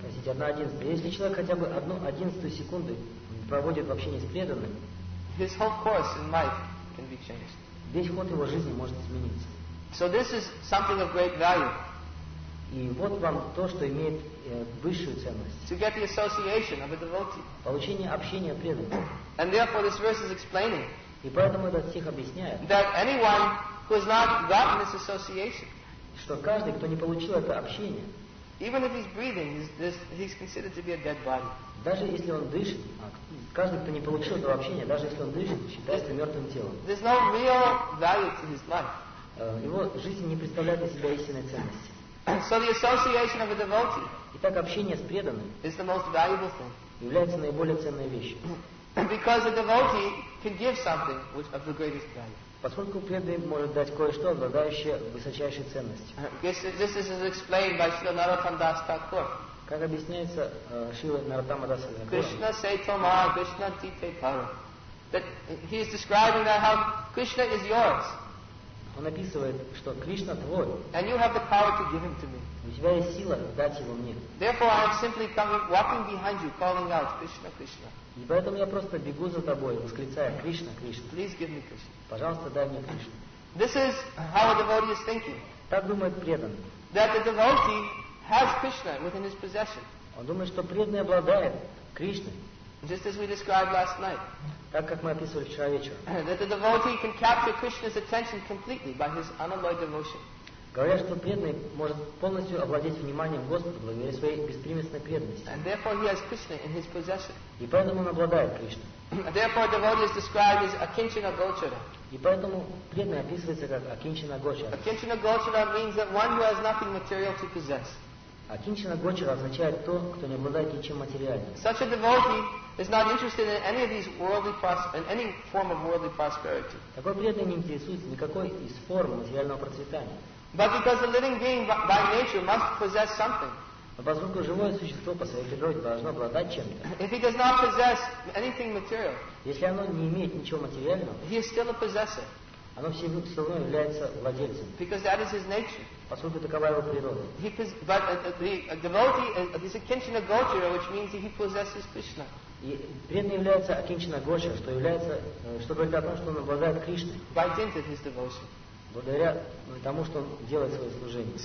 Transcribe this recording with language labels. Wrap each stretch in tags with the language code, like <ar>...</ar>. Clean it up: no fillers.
<ru>Простите, 1/11. Если человек хотя бы 1/11 секунды проводит в общении с преданным,</ru> <en>his whole course in life can be changed.</en> <ru>Весь ход его жизни может измениться.</ru> <en>So this is something of great value.</en> <ru>И вот вам то, что имеет высшую ценность.</ru> <en>To get the association of a devotee.</en> <ru>Получение общения преданного.</ru> <en>And therefore this verse is explaining.</en> <ru>И поэтому этот стих объясняет,</ru> <en>that anyone who has not gotten this association,</en> <ru>что каждый, кто не получил это общение,</ru> <en>even if he's breathing, he's considered to be a dead body.</en> <ru>Даже если он дышит, каждый, кто не получил это общение, даже если он дышит, считается мертвым телом.</ru> <en>There's no real value to his life.</en> <ru>Его жизнь не представляет из себя истинной ценности.</ru> <en>So the association of a devotee,</en> <ru>итак, общение с преданным,</ru> <en>is the most valuable thing,</en> <ru>является наиболее ценной вещью.</ru> <en>Because a devotee can give something which of the greatest value.</en> <ru>Поскольку преданный может дать кое-что, обладающее высочайшей ценностью.</ru> <en>This is explained by Śrīla Nārottama Dāsa Thakura.</en> <ru>Как объясняется Śrīla Nārottama Dāsa Thakura. Krishna Saitama, Krishna Tite Paro.</ru> <en>That he is describing that how Krishna is yours.</en> <ru>Он описывает, что Кришна твой.</ru> <en>And you have the power to give him to me.</en> <ru>У тебя есть сила дать его мне.</ru> <en>Therefore I am simply coming, walking behind you, calling out, Krishna, Krishna.</en> <ru>И поэтому я просто бегу за тобой, восклицая, Кришна, Кришна.</ru> <en>Please give me Krishna.</en> <ru>Пожалуйста, дай мне Кришну.</ru> <en>This is how a devotee is thinking.</en> <ru>Так думает преданный.</ru> <en>That the devotee has Krishna within his possession.</en> <ru>Он думает, что преданный обладает Кришной.</ru> <en>Just as we described last night.</en> <ru>Так как мы описывали вчера вечером.</ru> <en>That the devotee can capture Krishna's attention completely by his unalloyed devotion.</en> <ru>Говорят, что преданный может полностью овладеть вниманием Господа благодаря своей беспримесной преданности.</ru> <en>And therefore he has Krishna in his possession.</en> <ru>И поэтому он обладает Кришной.</ru> <en>Therefore a devotee is described as akinchana gochara.</en> <ru>И поэтому преданный описывается как akinchana gochara.</ru> <en>Akinchana gochara means that one who has nothing material to possess.</en> <ru>Akinchana gochara означает то, кто не обладает ничем материальным.</ru> <en>Such a devotee is not interested in any of these worldly in any form of worldly prosperity.</en> <ru>Такой преданный не интересуется никакой из форм материального процветания.</ru> <en>But because a living being by nature must possess something.</en> <ru>Поскольку живое существо по своей природе должно обладать чем-то.</ru> <en>If he does not possess anything material.</en> <ru>Если оно не имеет ничего материального.</ru> <en>He is still a possessor.</en> <ru>Оно все равно является владельцем.</ru> <en>Because that is his nature.</en> <ru>Поскольку такова его природа.</ru> <en>But the devotee is akinchana gochara, which means that he possesses Krishna.</en> <ru>И преданный является akinchana gochara, что является, что говорит о том, что он обладает Кришной.</ru> <en>By dint of his devotion.</en> <ru>Благодаря тому, что он делает свое служение.</ru>